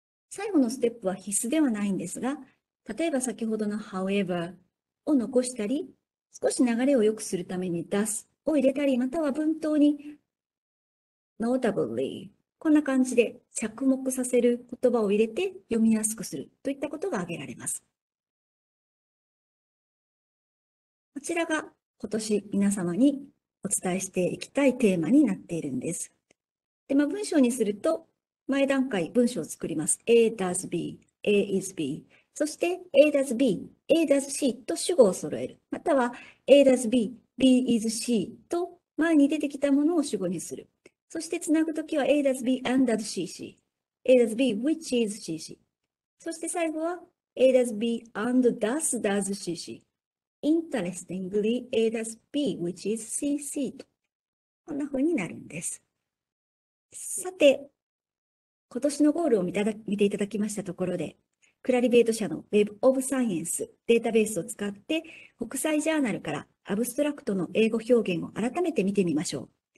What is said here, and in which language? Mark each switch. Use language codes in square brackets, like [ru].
[ja] 最後のステップは必須ではないんですが、例えば先ほどの however を残したり、少し流れを良くするために does を入れたり、または文頭に notably、こんな感じで着目させる言葉を入れて読みやすくするといったことが挙げられます。こちらが今年皆様にお伝えしていきたいテーマになっているんです。で、まあ、文章にすると、前段階、文章を作ります。 A does B、A is B、 そして A does B、A does C と主語を揃える、または A does B、B is C と前に出てきたものを主語にする。そしてつなぐときは [en] A does B and does CC。 A does B which is CC。 [ja] そして最後は [en] It has been and thus does CC. Interestingly, it has B, which is CC. [ja] とこんな風になるんです。さて、今年のゴールを見ていただきましたところで、クラリベート社の Web of Science データベースを使って、国際ジャーナルからアブストラクトの英語表現を改めて見てみましょう。